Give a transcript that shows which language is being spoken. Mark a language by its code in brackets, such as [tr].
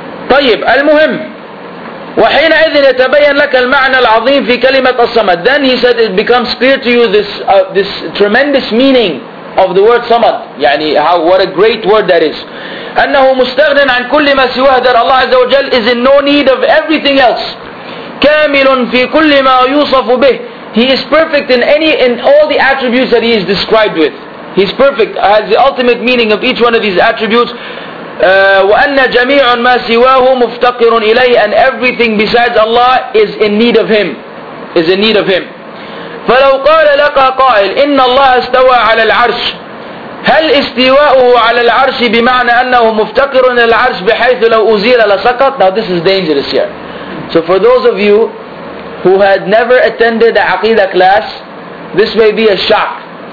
[ar] طيب المهم وحينئذ يتبين لك المعنى العظيم في كلمة الصمد. [en] Then he said it becomes clear to you this this tremendous meaning of the word صمد. يعني how what a great word that is. [ar] أنه مستغن عن كل ما سواه. [en] That Allah عز وجل is in no need of everything else. [ar] كامل في كل ما يوصف به. [en] He is perfect in any in all the attributes that he is described with. He's perfect. Has the ultimate meaning of each one of these attributes. [ar] وأن جميع ما سواه مفتقر إليه. [en] And everything besides Allah is in need of him. Is in need of him. [ar] فلو قال لك قائل إن الله استوى على العرش. هل استواءه على العرش بمعنى أنه مفتقر إلى العرش بحيث لو أزيل لسقط. [en] Now this is dangerous here. So for those of you who had never attended a Aqidah class, this may be a shock.